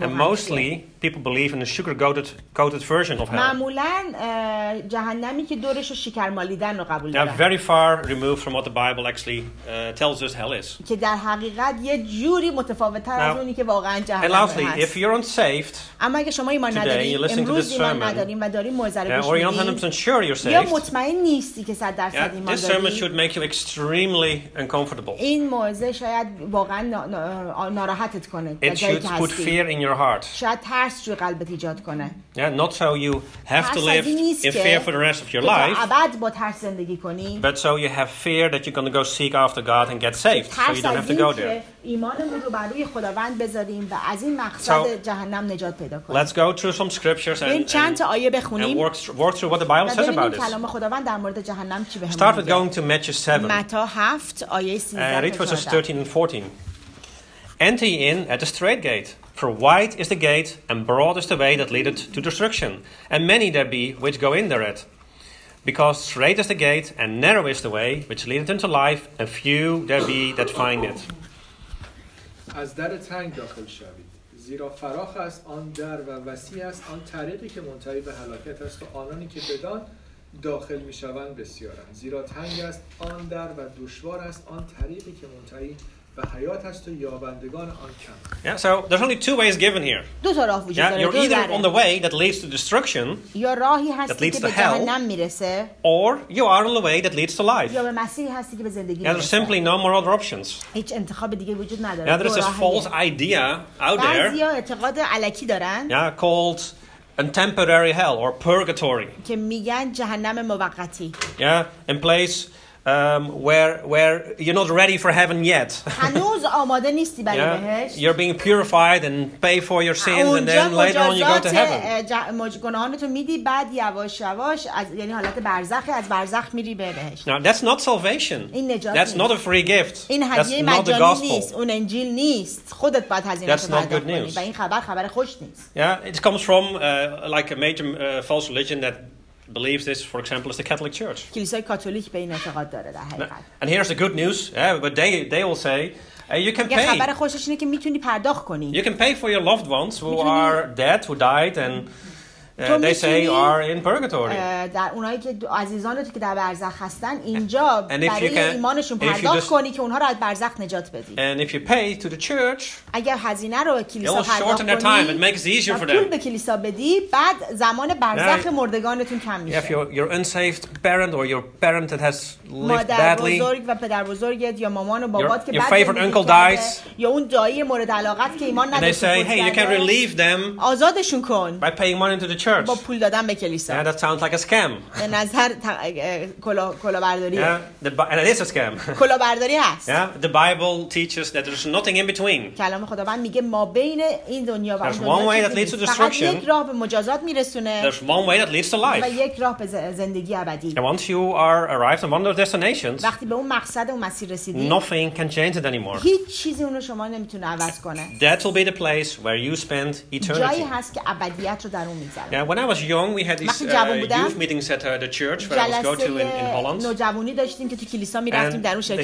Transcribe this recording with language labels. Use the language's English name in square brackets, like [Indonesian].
[English] And mostly people believe in the sugar-coated version of hell. [Persian] معمولاً جهنمی که دورش شکر مالیدن رو قبول دارن. [English] Very far removed from what the Bible actually tells us hell is. [Persian] که در حقیقت یه جوری متفاوت‌تر از اونی که واقعاً جهنم هست. [English] And lastly, if you're unsaved, [Persian] اما اگه شما ایمان نداریم، امروز ایمان نداریم و داریم موعظه رو گوش می‌دیم. یا مطمئن نیستی که 100% ایمان داریم. [English] This sermon should make you extremely extremely uncomfortable. [Persian] این موعظه شاید واقعا ناراحتت کنه. [English] It should put fear in your heart. [Persian] شاید ترس توی قلبت ایجاد کنه. [English] Yeah, not so you have to live in fear for the rest of your life. [Persian] ابد با ترس زندگی کنی. [English] But so you have fear that you're going to go seek after God and get saved, so you don't have to go there. [Persian] ایمانمون رو بر روی خداوند بذاریم و از این مقصد جهنم نجات پیدا کنیم. [English] Let's go through some scriptures and [Persian] چند تا آیه بخونیم. [English] Work through what the Bible says about this. [Persian] کلام خداوند در مورد جهنم چی بهمون میگه. [English] Start with going to Matthew 7. [Persian] متا 7 آیه 13 تا [English] 14. Read verses 13 and 14. Enter in at the straight gate, for wide is the gate and broad is the way that leadeth to destruction, and many there be which go in thereat. Because straight is the gate and narrow is the way which leadeth unto life, and few there be that find it. [Persian] از در تنگ داخل شوید، زیرا فراخ است آن در و وسیع است آن طریقی که منتهی به هلاکت است و آنانی که بدان داخل می شوند بسیارند. زیرا تنگ است آن در و دشوار است آن طریقی که منتهی به حیات است و یابندگان آن کم. [English] Yeah, so there's only two ways given here. [Persian] دو طرف وجود داره. [English] You're either on the way that leads to destruction. [Persian] یا راهی هستی که به جهنم میرسه. [English] Or you are on the way that leads to life. [Persian] یا به مسیری هستی که به زندگی. [English] There's simply no more other options. [Persian] هیچ انتخاب دیگه وجود نداره. [English] Yeah, there's this false idea out there. [Persian] بعضی ها اعتقاد علکی دارن. [English] Yeah, called a temporary hell or purgatory. [Persian] که میگن جهنم موقتی. [English] Yeah, in place where you're not ready for heaven yet. [Persian] هنوز آماده نیستی برای بهشت. [English] You're being purified and pay for your sins and then later on you go to heaven. [Persian] گناهانتو میدی بعد یواش یواش از یعنی حالت برزخ از برزخ میری به بهشت. [English] Now that's not salvation. [Persian] این نجات. [English] That's not a free gift. [Persian] این هدیه مجانی نیست. اون انجیل نیست. خودت باید هزینه کنی. [English] That's not good news. [Persian] و این خبر خبر خوش نیست. [English] Yeah, it comes from like a major false religion that believes this, for example, is the Catholic Church. [Persian] کلیسای کاتولیک به این اعتقاد داره در حقیقت. [English] And here's the good news, yeah, but they will say you can pay. [Persian] خبر خوشش اینه که میتونی پرداخت کنی. [English] You can pay for your loved ones who are dead, who died, and they say are in purgatory. [Persian] در اونایی که عزیزانت که در برزخ هستن اینجا برای ایمانشون پرداخت کنی که اونها رو از برزخ نجات بدی. [English] And if you pay to the church, [Persian] اگر هزینه رو به کلیسا پرداخت کنی, [English] it will shorten their time and make it easier for them. [Persian] پول به کلیسا بدی بعد زمان برزخ مردگانتون کم میشه. [English] If you're unsaved parent or your parent that has lived badly, [Persian] مادر بزرگ و پدر بزرگت یا مامان و بابات که بعد [English] your favorite uncle dies, [Persian] یا اون دایی مورد علاقت که ایمان نداشت, [English] they say, hey, you can relieve them, [Persian] آزادشون کن [English] by paying money to the church. [Persian] با پول دادن به کلیسا. [English] Yeah, that sounds like a scam. [Persian] به نظر کلاهبرداری. [English] Yeah, and it is a scam. [Persian] کلاهبرداری است. [English] Yeah, the Bible teaches that there's nothing in between. [Persian] کلام خداوند میگه ما بین این دنیا و اون. [English] There's one way that leads to destruction. [Persian] یک راه به مجازات میرسونه. [English] There's one way that leads to life. [Persian] و یک راه به زندگی ابدی. [English] And once you are arrived at one of those destinations, [Persian] وقتی به اون مقصد و مسیر رسیدی, [English] nothing can change it anymore. [Persian] هیچ چیزی اونو شما نمیتونه عوض کنه. [English] That will be the place where you spend eternity. [Persian] جایی هست که ابدیت رو در اون میذاری. [English] Yeah, when I was young, we had these youth meetings at the church where I was going to in Holland. [Persian] نوجوانی داشتیم که تو کلیسا می‌رفتیم در اون شرکت.